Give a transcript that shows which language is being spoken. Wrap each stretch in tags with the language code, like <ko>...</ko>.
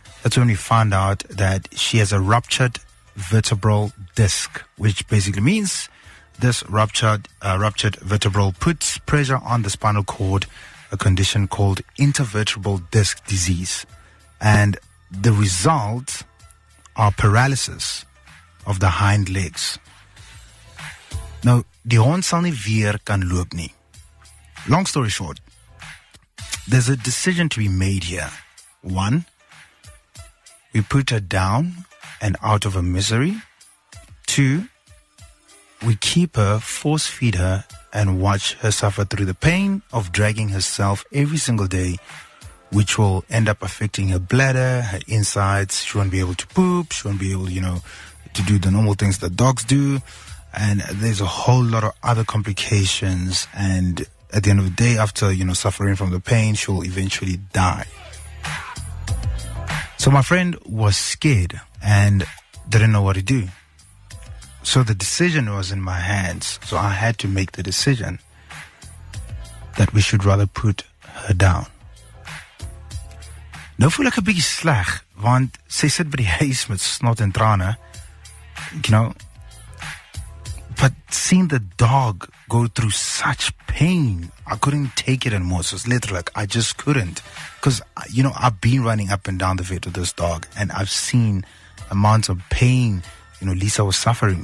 <en>That's when we found out that she has a ruptured vertebral disc, which basically means this ruptured vertebral puts pressure on the spinal cord, a condition called intervertebral disc disease. And the result are paralysis of the hind legs.</en> <af>Nou, die hond sal nie weer kan loop nie.</af> <en>Long story short, there's a decision to be made here. One, we put her down and out of her misery. Two, we keep her, force feed her, and watch her suffer through the pain of dragging herself every single day, which will end up affecting her bladder, her insides. She won't be able to poop. She won't be able, you know, to do the normal things that dogs do. And there's a whole lot of other complications. And at the end of the day, after, you know, suffering from the pain, she'll eventually die. So my friend was scared and didn't know what to do. So the decision was in my hands. So I had to make the decision that we should rather put her down.</en> <af>Nou voel ek 'n bietjie sleg, want sy sit by die huis met snot en trane.</af> <en>You know, but seeing the dog go through such pain, I couldn't take it anymore. So it's literally like, I just couldn't. Because, you know, I've been running up and down the vet with this dog, and I've seen amounts of pain, you know, Lisa was suffering.</en>